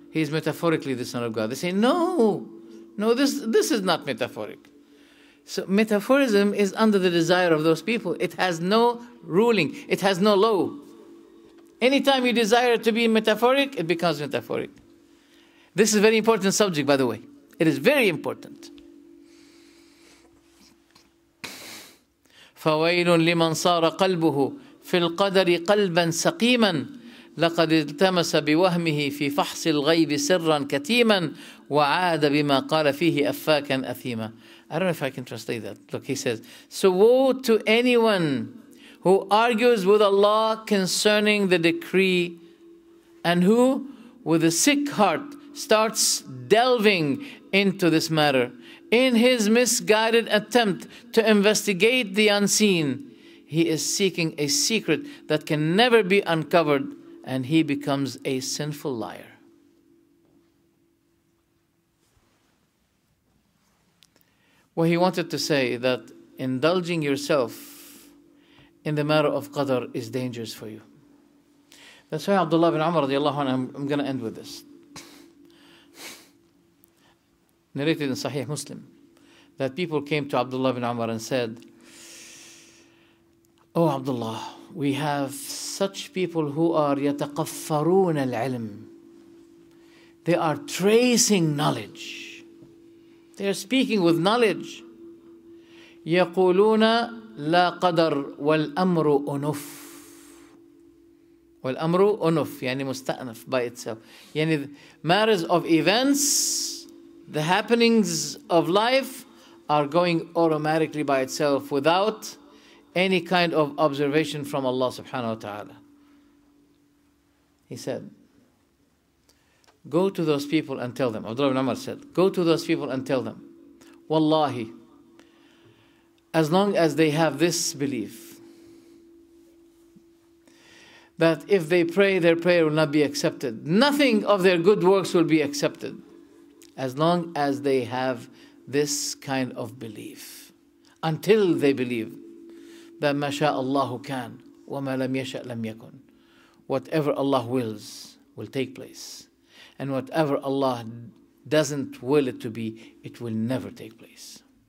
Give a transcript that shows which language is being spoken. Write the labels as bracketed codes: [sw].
[en] He is metaphorically the Son of God. They say, no, this is not metaphoric. So metaphorism is under the desire of those people. It has no ruling. It has no law. Anytime you desire it to be metaphoric, it becomes metaphoric. This is a very important subject, by the way. It is very important. [ar] فويل لمن صار قلبه في القدر قلبا سقيما لقد التمس بوهمه في فحص الغيب سرا كتيما وعاد بما قال فيه أفاكا أثيما. [en] I don't know if I can translate that. Look, he says, so woe to anyone who argues with Allah concerning the decree and who with a sick heart starts delving into this matter. In his misguided attempt to investigate the unseen, he is seeking a secret that can never be uncovered, and he becomes a sinful liar. What he wanted to say, that indulging yourself in the matter of qadr is dangerous for you. That's why Abdullah ibn Umar radiallahu anhu, I'm going to end with this. Narrated in Sahih Muslim, that people came to Abdullah ibn Umar and said, oh Abdullah, we have such people who are [ar] yataqaffaroon al-ilm. [en] They are tracing knowledge. They are speaking with knowledge. [ar] يقولون لا قدر والأمر أنف. والأمر أنف يعني مستأنف [en] by itself. يعني matters of events, the happenings of life are going automatically by itself without any kind of observation from Allah subhanahu wa ta'ala. He said, go to those people and tell them, Abdullah ibn Umar said, go to those people and tell them, wallahi, as long as they have this belief, that if they pray, their prayer will not be accepted. Nothing of their good works will be accepted. As long as they have this kind of belief. Until they believe that [ar] ما شاء الله كان وما لم يشأ لم يكن. [en] Whatever Allah wills will take place. And whatever Allah doesn't will it to be, it will never take place.